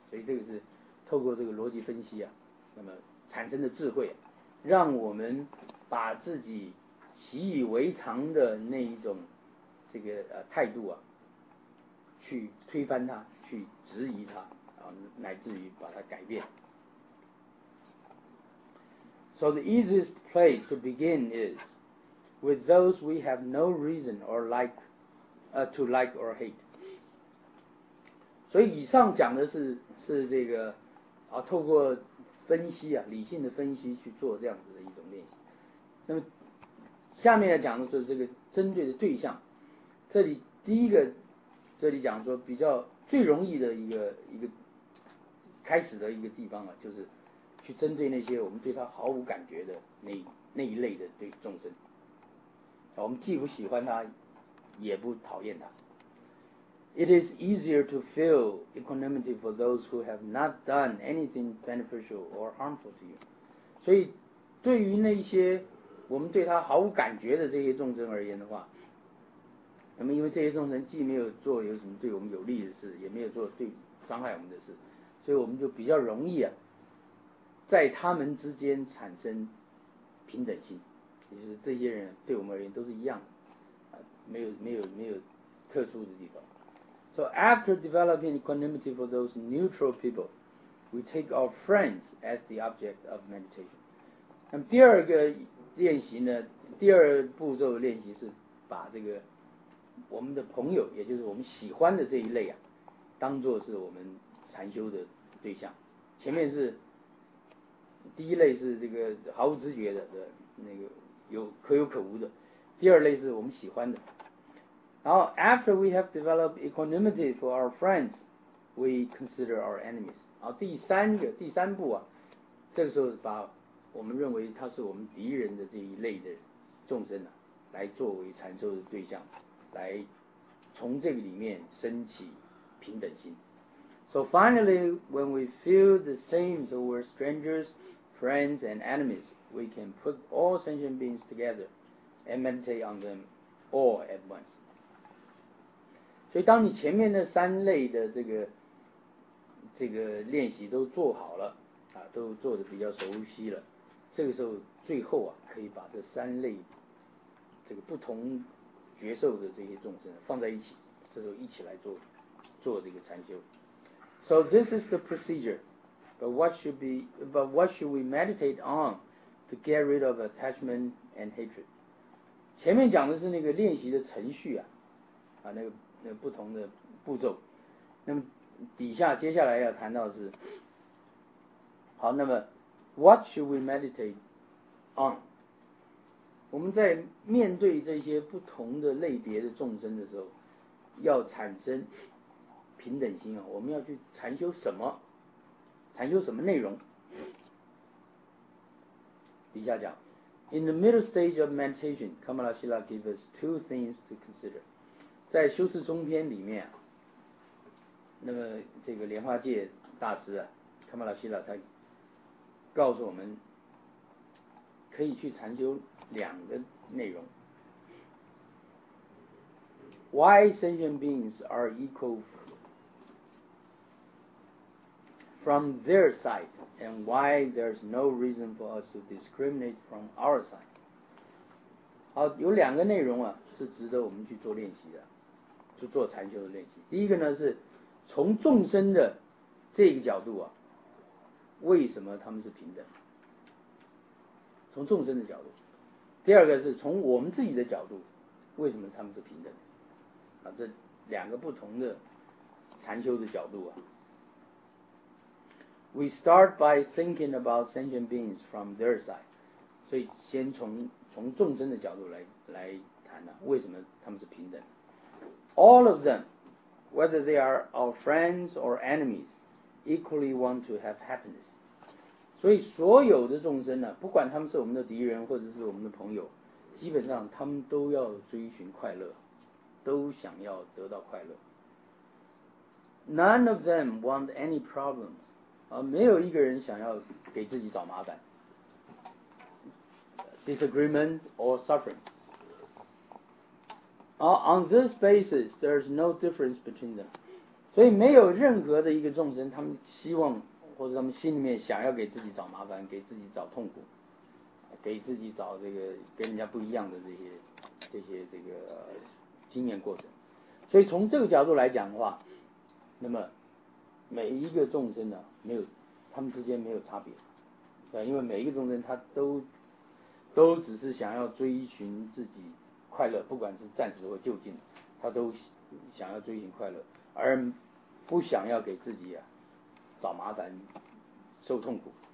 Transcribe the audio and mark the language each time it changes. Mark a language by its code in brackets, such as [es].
[zh] 所以这个是透过这个逻辑分析啊，那么产生的智慧啊，让我们把自己习以为常的那一种这个态度啊，去推翻它，去质疑它，啊，乃至于把它改变。 [en] So the easiest place to begin is with those we have no reason or like, to like or hate. [zh] 所以以上讲的是这个啊，透过分析啊，理性的分析去做这样子的一种练习。那么下面要讲的是这个针对的对象，这里第一个。这里讲说比较最容易的一个开始的一个地方啊，就是去针对那些我们对他毫无感觉的那一类的对众生，我们既不喜欢他，也不讨厌他。 [en] It is easier to feel equanimity for those who have not done anything beneficial or harmful to you. [zh] 所以对于那些我们对他毫无感觉的这些众生而言的话，那么因为这些众生既没有做有什么对我们有利的事，也没有做对伤害我们的事，所以我们就比较容易啊，在他们之间产生平等心，也就是这些人对我们而言都是一样的，没有特殊的地方。 [en] So after developing equanimity for those neutral people, we take our friends as the object of meditation. [zh] 那么第二个练习呢，第二步骤的练习是把这个我们的朋友，也就是我们喜欢的这一类啊，当作是我们禅修的对象。前面是第一类是这个毫无知觉的，那个有可有可无的，第二类是我们喜欢的。 [en] Now, after we have developed equanimity for our friends, we consider our enemies. [zh] 好，第三步啊，这个时候把我们认为他是我们敌人的这一类的众生啊，来作为禅修的对象，来从这个里面升起平等心。 [en] So finally, when we feel the same towards strangers, friends, and enemies, we can put all sentient beings together and meditate on them all at once. [zh] 所以当你前面的三类的这个练习都做好了，啊，都做得比较熟悉了，这个时候最后啊，可以把这三类这个不同觉受的这些众生放在一起，这时候一起来做这个禅修。 [en] So this is the procedure, but what should we meditate on to get rid of attachment and hatred? [zh] 前面讲的是那个练习的程序啊，那个不同的步骤。那么底下接下来要谈到的是，好，那么 [en] what should we meditate on? [zh] 我们在面对这些不同的类别的众生的时候，要产生平等心啊，我们要去禅修什么？禅修什么内容？底下讲 [en] ，In the middle stage of meditation, Kamalashila gives us two things to consider. [zh] 在修持中篇里面，那么这个莲花界大师啊 ，Kamalashila 他告诉我们，可以去禅修两个内容。 [en] Why sentient beings are equal from their side, and why there's no reason for us to discriminate from our side. [zh] 好，有两个内容啊，是值得我们去做练习的，去做禅修的练习。第一个呢，是从众生的这个角度啊，为什么他们是平等？从众生的角度。第二个是从我们自己的角度，为什么他们是平等？啊，这两个不同的禅修的角度啊。 [en] We start by thinking about sentient beings from their side. [zh] 所以先从众生的角度来谈啊，为什么他们是平等。 [en] All of them, whether they are our friends or enemies, equally want to have happiness. [zh] 所以所有的众生啊，不管他们是我们的敌人或者是我们的朋友，基本上他们都要追寻快乐，都想要得到快乐。 [en] None of them want any problems. [zh] 没有一个人想要给自己找麻烦 [en] disagreement or suffering. On this basis, there's no difference between them. [zh] 所以没有任何的一个众生，他们希望或者他们心里面想要给自己找麻烦，给自己找痛苦，给自己找这个跟人家不一样的这些这个经验过程。所以从这个角度来讲的话，那么每一个众生呢，没有，他们之间没有差别，对，因为每一个众生他都只是想要追寻自己快乐，不管是暂时或就近，他都想要追寻快乐，而不想要给自己啊找麻烦、受痛苦。